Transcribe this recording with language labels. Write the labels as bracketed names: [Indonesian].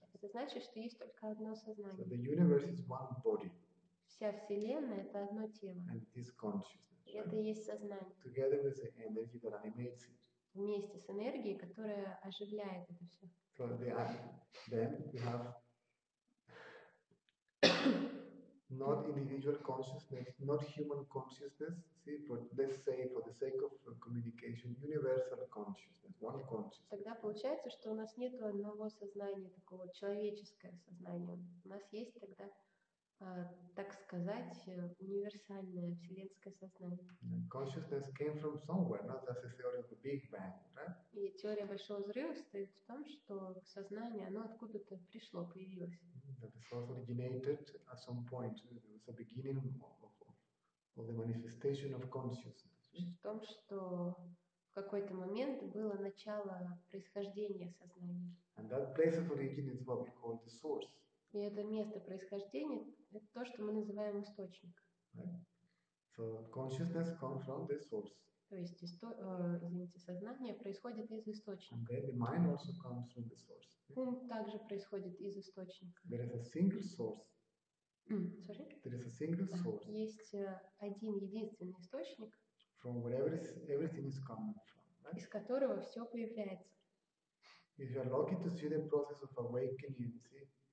[Russian] Это значит, что есть только одно сознание. [English] So the universe is one body. [Russian] Вся вселенная — это одно тело. [English] And this consciousness. [Russian] И это есть сознание. [English] Together with the energy that animates it. [Russian] Вместе с энергией, которая оживляет это все. [English] So then we have not individual consciousness, not human consciousness, see, but let's say for the sake of communication, universal consciousness, one consciousness. [Russian] Тогда получается, что у нас нет одного сознания, такого человеческого сознания. У нас есть тогда, так сказать, универсальное вселенское сознание. [English] Consciousness came from somewhere, not as a theory of the Big Bang, right? [Russian] И теория большого взрыва стоит в том, что сознание, оно откуда-то пришло, появилось. [English] That it was originated at some point, it was the beginning of the manifestation of consciousness. [Russian] В том, что в какой-то момент было начало происхождения сознания. [English] And that place of origin is what we call the source. [Russian] И это место происхождения — это то, что мы называем источник. [English] Right. So consciousness comes from the source. [Russian] То есть сознание происходит из источника. [English] And then the mind also comes from the source. [Russian] Ум также происходит из источника. [English] There is a single source. Sorry? There is a single source. [Russian] Есть один единственный источник. [English] From wherever everything is coming from. Right? [Russian] Из которого все появляется. [English] If you are lucky to see the process of awakening, see.